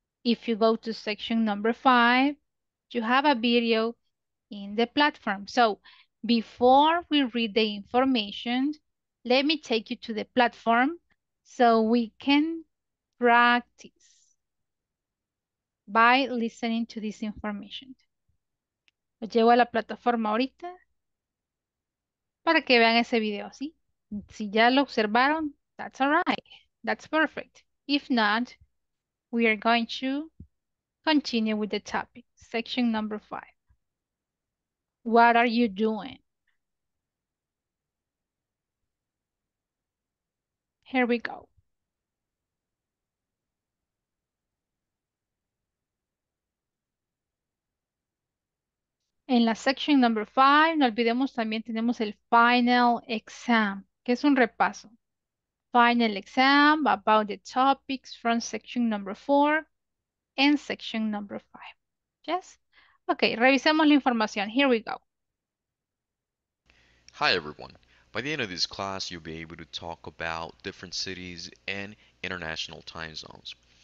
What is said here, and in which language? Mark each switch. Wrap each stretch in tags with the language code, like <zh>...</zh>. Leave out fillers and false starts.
<en>If you go to section number five, you have a video in the platform. So before we read the information, let me take you to the platform so we can practice by listening to this information.</en> <es>Lo llevo a la plataforma ahorita para que vean ese video, ¿sí? Si ya lo observaron,</es> <en>that's all right. That's perfect. If not, we are going to continue with the topic. Section number five. What are you doing? Here we go.</en> <es>En la section number 5, no olvidemos, también tenemos el final exam, que es un repaso.</es> <en>Final exam about the topics from section number 4 and section number 5. Yes? Okay,</en> <es>revisemos la información.</es> <en>Here we go. Hi, everyone. By the end of this class, you'll be able to talk about different cities and international time zones.</en>